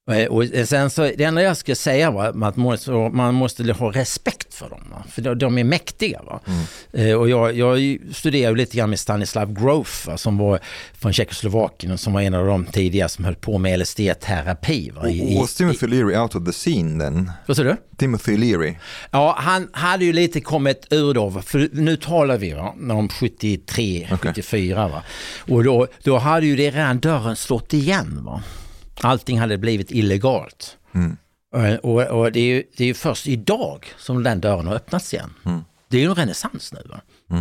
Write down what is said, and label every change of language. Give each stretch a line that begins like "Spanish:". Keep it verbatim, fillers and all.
Swedish: Och sen så, det enda jag skulle säga var att man, man måste ha respekt för dem, va? För de, de är mäktiga. Va? Mm. Eh, och jag, jag studerade lite grann med Stanislav Grof, va? Som var från Tjeckoslovakien och som var en av de tidiga som höll på med L S D-terapi. Va?
English: I, och, was Timothy Leary out of the scene then?
Swedish: Vad sa du? Timothy Leary. Ja, han hade ju lite kommit ur då, va? För nu talar vi va? Om sjuttiotre, okay. sjuttiofyra. Va? Och då, då hade ju det redan dörren slått igen, va? Allting hade blivit illegalt. Mm. Och, och det är ju det är först idag som den dörren har öppnats igen. Mm. Det är ju en renässans nu. Va? Mm.